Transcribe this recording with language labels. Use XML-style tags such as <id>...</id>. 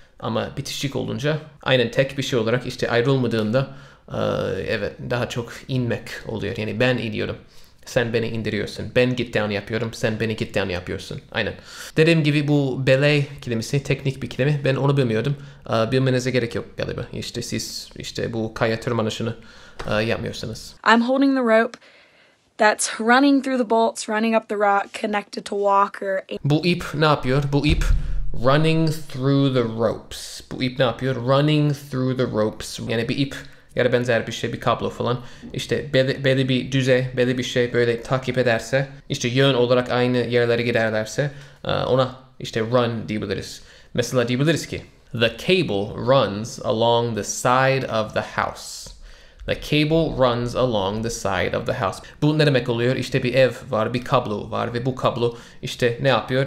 <tr>Ama bitişik olunca, aynen tek bir şey olarak işte ayrılmadığında, evet daha çok inmek oluyor. Yani ben iniyorum, sen beni indiriyorsun. Ben get down yapıyorum, sen beni get down yapıyorsun. Aynen. Dediğim gibi bu belay kelimesi teknik bir kelime. Ben onu bilmiyordum. Bilmenize gerek yok galiba. İşte siz işte bu kaya tırmanışını yapmıyorsunuz.</tr> <en>I'm holding the rope that's running through the bolts, running up the rock, connected to walker.</en> <tr>Bu ip ne yapıyor? Bu ip</tr> <en>running through the ropes.</en> <tr>Bu ip ne yapıyor?</tr> <en>Running through the ropes.</en> <tr>Yani bir ip ya da benzer bir şey, bir kablo falan. İşte belli bir düzey, belli bir şey böyle takip ederse, işte yön olarak aynı yerlere giderlerse ona işte run diyebiliriz.</tr> <en>Mesela diyebiliriz ki the cable runs along the side of the house. The cable runs along the side of the house.</en> <tr>Bu ne demek oluyor? İşte bir ev var, bir kablo var ve bu kablo işte ne yapıyor?</tr>